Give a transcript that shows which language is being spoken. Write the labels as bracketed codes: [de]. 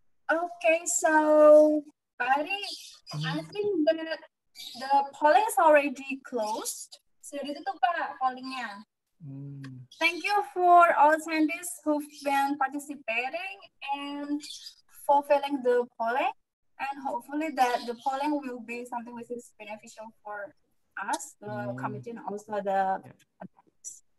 [en] Okay, so, Bari, I think that the poll is already closed. [id] So, itu tuh, Pak, pollingnya. [en] Thank you for all attendees who've been participating and fulfilling the polling. And hopefully that the polling will be something which is beneficial for us, the committee, and also the attendees.